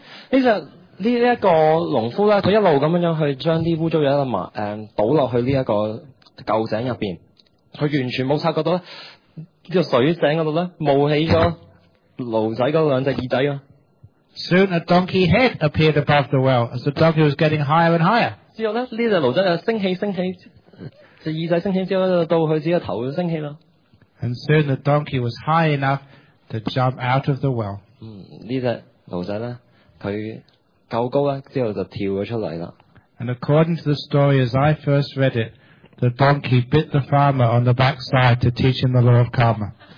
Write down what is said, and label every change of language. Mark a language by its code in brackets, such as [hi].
[yue] 呢只呢一个农夫咧，佢一路咁样样去将啲污糟嘢啦倒落去呢一个旧井入边，佢完全冇察觉到咧，呢个水井嗰度咧冒起咗驴仔嗰两只耳仔啊。 [en] Soon a donkey head appeared above the well as the donkey was getting higher and higher. [yue] 之后咧呢只驴仔又升起升起。只耳仔升起之后，到佢自己头升起啦。 [en] And soon the donkey was high enough to jump out of the well. [yue] 呢只驴仔咧，佢够高咧，之后就跳咗出嚟啦。 [en] And according to the story as I first read it, the donkey bit the farmer on the backside to teach him the law of karma.